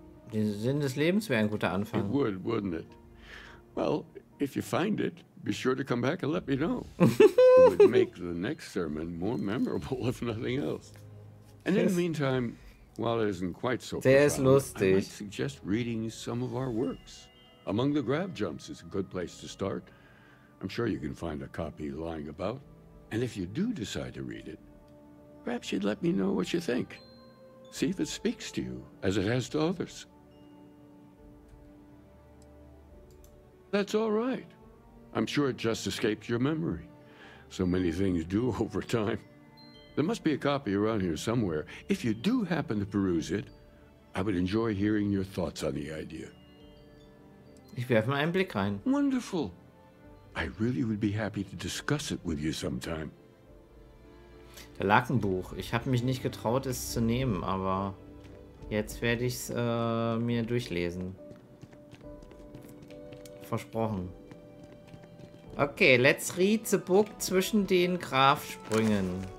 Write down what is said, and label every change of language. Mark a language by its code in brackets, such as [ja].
[de] Den Sinn des Lebens wäre ein guter Anfang. [en] It would, wouldn't it? Well, if you find it, be sure to come back and let me know. It would make the next sermon more memorable, if nothing else. And in the meantime, while it isn't quite so profound, I might suggest reading some of our works. Among the Grab Jumps is a good place to start. I'm sure you can find a copy lying about. And if you do decide to read it, perhaps you'd let me know what you think. See if it speaks to you, as it has to others. That's all right. I'm sure it just escaped your memory. So many things do over time. There must be a copy around here somewhere. If you do happen to peruse it, I would enjoy hearing your thoughts on the idea. [de] Ich werfe mal einen Blick rein. [en] Wonderful. I really would be happy to discuss it with you sometime. [de] Der Lackenbuch. Ich habe mich nicht getraut, es zu nehmen, aber jetzt werde ich es mir durchlesen. Versprochen. [en] Okay, let's read the book [de] zwischen den Grafsprüngen.